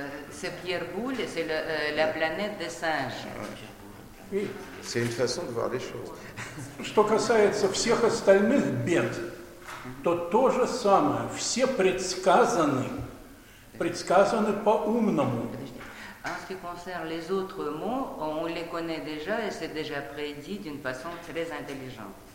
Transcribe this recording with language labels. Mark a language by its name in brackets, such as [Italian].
[French] C'est Pierre Boulle, c'est la planète des singes. Oui. C'est une façon de voir les choses. [Russian] Что касается всех остальных бед, то же самое. Все предсказаны по-умному. [French] En ce qui concerne les autres mots, on les connaît déjà et c'est déjà prédit d'une façon très intelligente.